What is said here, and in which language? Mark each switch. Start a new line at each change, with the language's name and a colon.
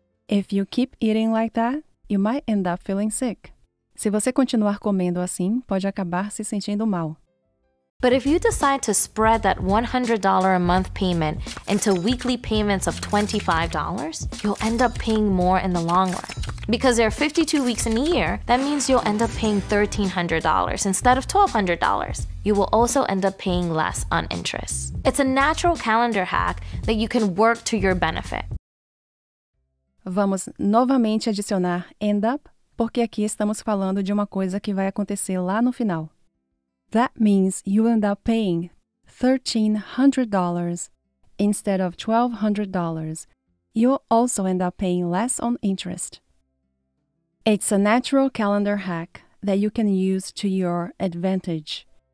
English: If you keep eating like that, you might end up feeling sick.
Portuguese: Se você continuar comendo assim, pode acabar se sentindo mal.
English: But if you decide to spread that $100 a month payment into weekly payments of $25, you'll end up paying more in the long run. Because there are 52 weeks in a year, that means you'll end up paying $1,300 instead of $1,200. You will also end up paying less on interest. It's a natural calendar hack that you can work to your benefit.
Portuguese: Vamos novamente adicionar end up, porque aqui estamos falando de uma coisa que vai acontecer lá no final.
English: That means you end up paying $1,300 instead of $1,200. You'll also end up paying less on interest. It's a natural calendar hack that you can use to your advantage.